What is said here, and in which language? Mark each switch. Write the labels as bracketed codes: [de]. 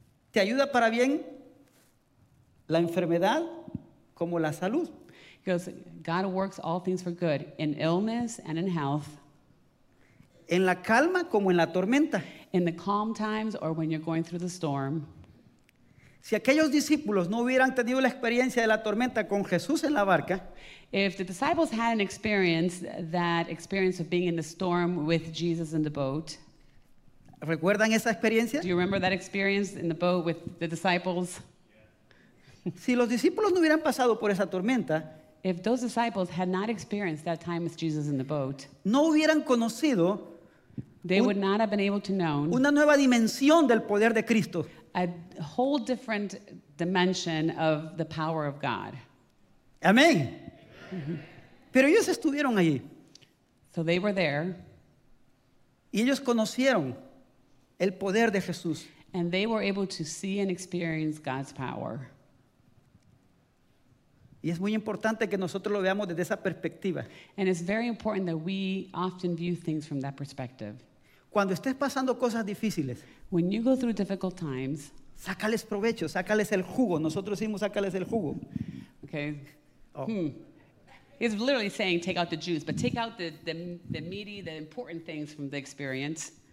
[es] Te ayuda para bien la enfermedad como la salud. [en] Because God works all things for good in illness and in health. [es] En la calma como en la tormenta. [en] In the calm times or when you're going through the storm. [es] Si aquellos discípulos no hubieran tenido la experiencia de la tormenta con Jesús en la barca. [en] If the disciples hadn't experienced that experience of being in the storm with Jesus in the boat. [es] ¿Recuerdan esa experiencia? [en] Do you remember that experience in the boat with the disciples? [es] Si los discípulos no hubieran pasado por esa tormenta. [en] If those disciples had not experienced that time with Jesus in the boat, [es] no hubieran conocido [en] they would not have been able to know [es] una nueva dimensión del poder de Cristo. [en] A whole different dimension of the power of God. [es] Amén. Pero ellos estuvieron allí. [en] So they were there. [es] Y ellos conocieron el poder de Jesús. [en] And they were able to see and experience God's power. [es] Y es muy importante que nosotros lo veamos desde esa perspectiva. [en] And it's very important that we often view things from that perspective. [es] Cuando estés pasando cosas difíciles, [en] when you go through difficult times, [es] sácales provecho, sácales el jugo. Nosotros decimos sácales el jugo. [en] Okay. Oh. It's literally saying take out the juice, but take out the meaty, the important things from the experience.